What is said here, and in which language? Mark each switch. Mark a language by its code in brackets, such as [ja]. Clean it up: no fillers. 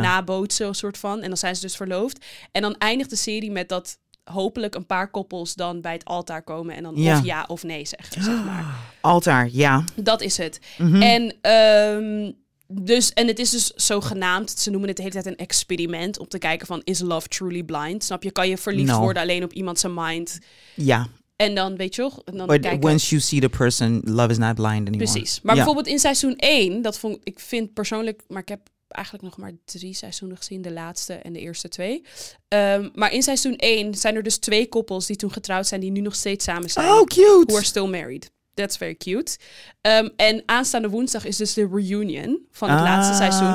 [nl] Nabootsen, een soort van. En dan zijn ze dus verloofd. En dan eindigt de serie met dat hopelijk een paar koppels dan bij het altaar komen. En dan ja. of ja of nee zeggen, zeg maar. Altaar, ja. Dat is het. Mm-hmm. En dus, en het is dus zogenaamd, ze noemen het de hele tijd een experiment, om te kijken van, [en] is love truly blind? [nl] Snap je, kan je verliefd worden alleen op iemand zijn mind? Ja. En dan, weet je toch? [en] Once you see the person, love is not blind anymore. [nl] Precies. Maar ja. bijvoorbeeld in seizoen 1, dat vond ik vind persoonlijk, maar ik heb eigenlijk nog maar 3 seizoenen gezien, de laatste en de eerste 2. Maar in seizoen 1 zijn er dus 2 koppels die toen getrouwd zijn, die nu nog steeds samen zijn. [en] Oh, cute! Who are still married. That's very cute. [nl] En aanstaande woensdag is dus de reunion van het laatste seizoen.